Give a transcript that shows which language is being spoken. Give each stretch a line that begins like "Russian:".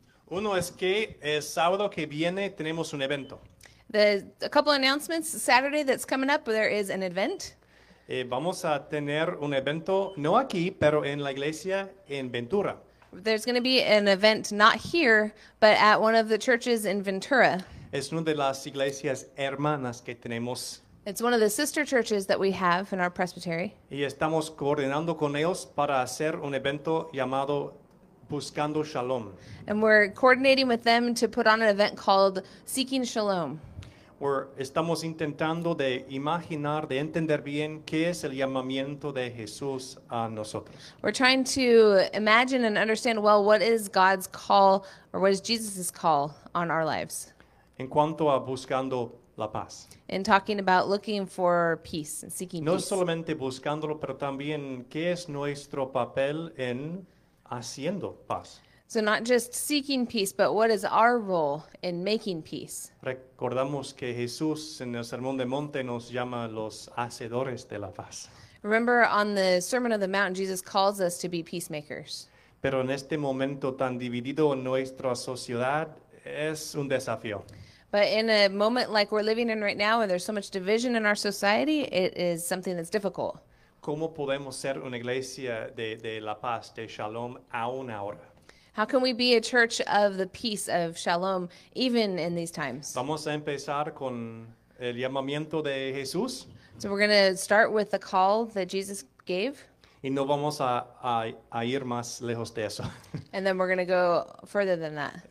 Spanish: Uno es que el sábado que viene tenemos un evento.
English: A couple announcements. Saturday that's coming up, there is an event.
Spanish: Vamos a tener un evento, no aquí, pero en la iglesia en Ventura.
English: There's going to be an event not here, but at one of the churches in Ventura.
Spanish: Es una de las iglesias hermanas que tenemos.
English: It's one of the sister churches that we have in our presbytery.
Spanish: Y estamos coordinando con ellos para hacer un evento llamado Buscando Shalom.
English: And we're coordinating with them to put on an event called Seeking Shalom.
Spanish: Estamos intentando de imaginar, de entender bien qué es el llamamiento de Jesús a nosotros.
English: We're trying to imagine and understand well what is God's call or what is Jesus's call on our lives.
Spanish: En cuanto a buscando la paz.
English: In talking about looking for peace and seeking no peace.
Spanish: No solamente buscándolo, pero también qué es nuestro papel en haciendo paz.
English: So not just seeking peace, but what is our role in making peace?
Spanish: Recordamos que Jesús en el Sermón del Monte nos llama los hacedores de la paz.
English: Remember on the Sermon of the Mount, Jesus calls us to be peacemakers.
Spanish: Pero en este momento tan dividido en nuestra sociedad, es un desafío.
English: But in a moment like we're living in right now, where there's so much division in our society, it is something that's difficult.
Spanish: ¿Cómo podemos ser una iglesia de la paz, de shalom, aún ahora?
English: How can we be a church of the peace, of shalom, even in these times?
Spanish: Vamos a empezar con el llamamiento de Jesús.
English: So we're going to start with the call that Jesus gave.
Spanish: Y no vamos a ir más lejos de eso.
English: And then we're going to go further than that.